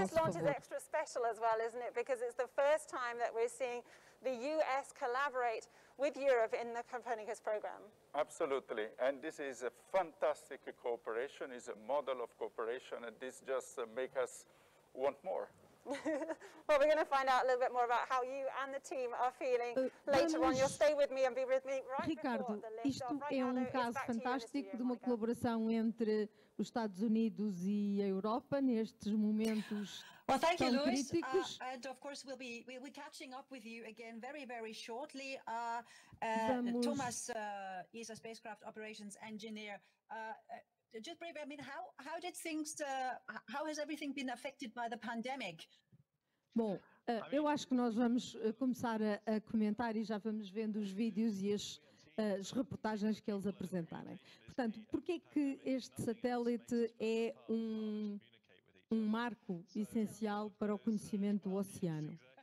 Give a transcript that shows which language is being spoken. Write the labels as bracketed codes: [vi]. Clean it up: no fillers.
[pt] Este lançamento é extra especial também, não é? Porque é a primeira vez que estamos vendo a US colaborar com a Europa no Copernicus Program. Absolutamente. E isto é uma fantástica cooperação, é um modelo de cooperação, e isto só nos faz querer mais. [en] Well, we're going to find out a little bit more about how you and the team are feeling later on. You'll stay with me and be with me right before the lift. [pt] Ricardo, isto é um caso fantástico de uma colaboração entre os Estados Unidos e a Europa nestes momentos. [en] Well, thank you, Luis. And of course, we'll be catching up with you again very, very shortly. Thomas is a spacecraft operations engineer. Just briefly, I mean, how did things, how has everything been affected by the pandemic? [pt] Bom, eu acho que nós vamos começar a comentar e já vamos vendo os vídeos e as reportagens que eles apresentarem. Portanto, porquê é que este satélite é um marco essencial para o conhecimento do oceano?